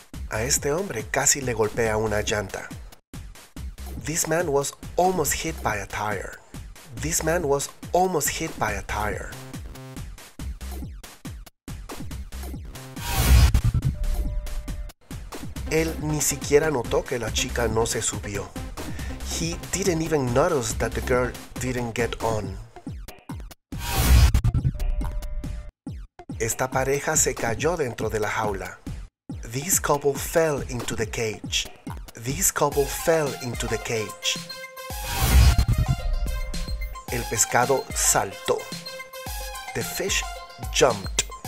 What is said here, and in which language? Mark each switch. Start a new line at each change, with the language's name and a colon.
Spanish: A este hombre casi le golpea una llanta.
English: This man was almost hit by a tire. This man was almost hit by a tire.
Spanish: Él ni siquiera notó que la chica no se subió.
English: He didn't even notice that the girl didn't get on.
Spanish: Esta pareja se cayó dentro de la jaula.
English: This couple fell into the cage. This couple fell into the cage.
Spanish: El pescado saltó.
English: The fish jumped.